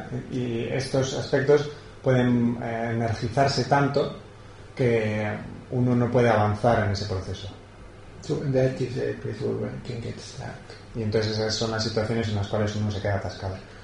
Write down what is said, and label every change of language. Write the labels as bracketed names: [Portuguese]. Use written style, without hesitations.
[Spanish] Y estos aspectos pueden energizarse tanto que uno no puede avanzar en ese proceso. [English] So that is a place where one can get stuck. [Spanish] Y entonces esas son las situaciones en las cuales uno se queda atascado.